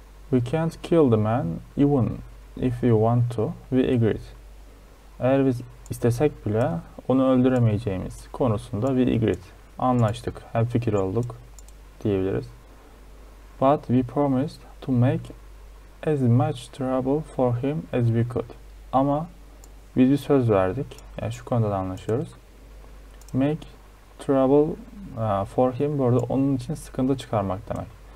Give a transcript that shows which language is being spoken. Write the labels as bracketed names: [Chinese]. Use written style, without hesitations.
[English] We can't kill the man even if we want to. We agreed. [Turkish] Eğer biz istesek bile onu öldüremeyeceğimiz konusunda [English] we agreed. [Turkish] Anlaştık. Hemfikir olduk diyebiliriz. [English] But we promised to make as much trouble for him as we could. [Turkish] Ama biz bir söz verdik. Yani şu konuda da anlaşıyoruz. [English] Make trouble for him [Turkish] burada onun için sıkıntı çıkarmak demek.